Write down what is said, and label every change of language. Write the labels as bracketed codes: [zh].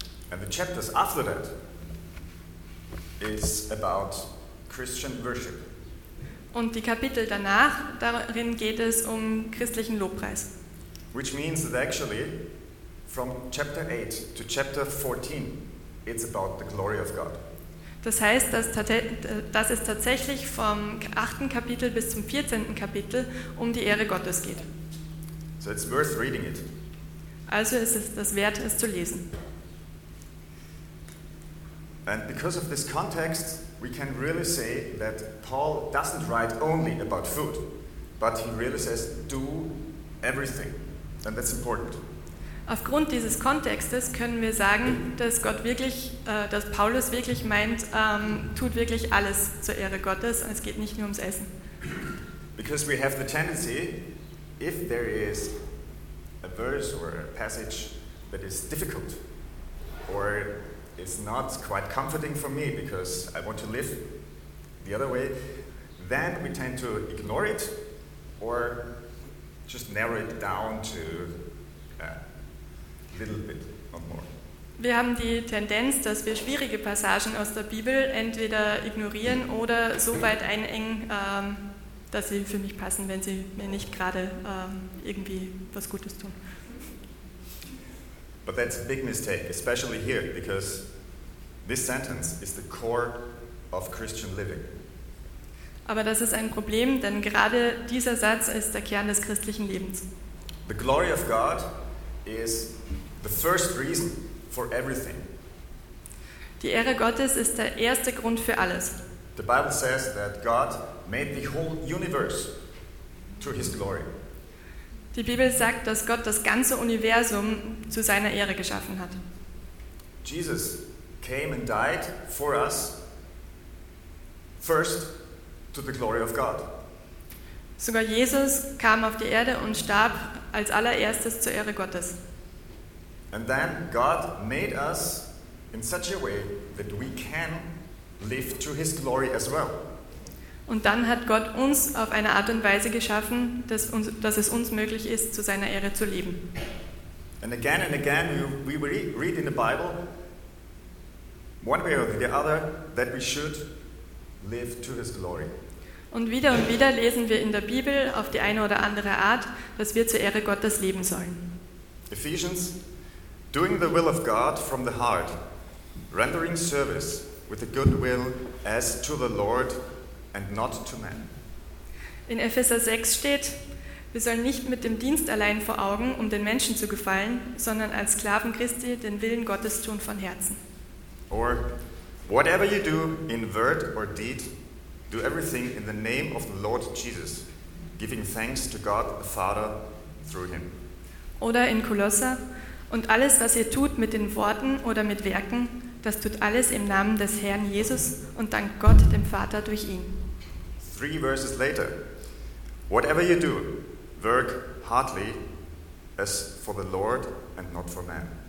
[en] And the chapters after that is about Christian worship. [de] Und die Kapitel danach, darin geht es um christlichen Lobpreis. [en] Which means that actually, from chapter 8 to chapter 14, it's about the glory of God. [de] Das heißt, dass es tatsächlich vom 8. Kapitel bis zum 14. Kapitel um die Ehre Gottes geht. [en] So it's worth reading it. [de] Also ist es das wert, es zu lesen. [en] And because of this context, we can really say that Paul doesn't write only about food, but he really says, do everything. And that's important. [de] Aufgrund dieses Kontextes können wir sagen, dass Gott wirklich, dass Paulus wirklich meint, tut wirklich alles zur Ehre Gottes. Und es geht nicht nur ums Essen. [en] Because we have the tendency, if there is a verse or a passage that is difficult or it's not quite comforting for me because I want to live the other way, then we tend to ignore it or just narrow it down to little bit, not more. [de] Wir haben die Tendenz, dass wir schwierige Passagen aus der Bibel entweder ignorieren oder so weit einengen, dass sie für mich passen, wenn sie mir nicht gerade irgendwie was Gutes tun. [en] But that's a big mistake, especially here, because this sentence is the core of Christian living. [de] Aber das ist ein Problem, denn gerade dieser Satz ist der Kern des christlichen Lebens. [en] The glory of God is the first reason for everything. [de] Die Ehre Gottes ist der erste Grund für alles. [en] The Bible says that God made the whole universe to his glory. [de] Die Bibel sagt, dass Gott das ganze Universum zu seiner Ehre geschaffen hat. [en] Jesus came and died for us first to the glory of God. [de] Sogar Jesus kam auf die Erde und starb als allererstes zur Ehre Gottes. [en] And then God made us in such a way that we can live to his glory as well. [de] Und dann hat Gott uns auf eine Art und Weise geschaffen, dass es uns möglich ist, zu seiner Ehre zu leben. [en] And again we read in the Bible, one way or the other, that we should live to his glory. [de] Und wieder lesen wir in der Bibel auf die eine oder andere Art, dass wir zur Ehre Gottes leben sollen. [en] Ephesians, doing the will of God from the heart, rendering service with a good will as to the Lord and not to men. [de] In Epheser 6 steht, wir sollen nicht mit dem Dienst allein vor Augen, um den Menschen zu gefallen, sondern als Sklaven Christi den Willen Gottes tun von Herzen. [en] Or, whatever you do in word or deed, do everything in the name of the Lord Jesus, giving thanks to God the Father through him. [de] Oder in Kolosser, und alles, was ihr tut mit den Worten oder mit Werken, das tut alles im Namen des Herrn Jesus und dankt Gott dem Vater durch ihn. [en] 3 verses later, whatever you do, work heartily as for the Lord and not for man.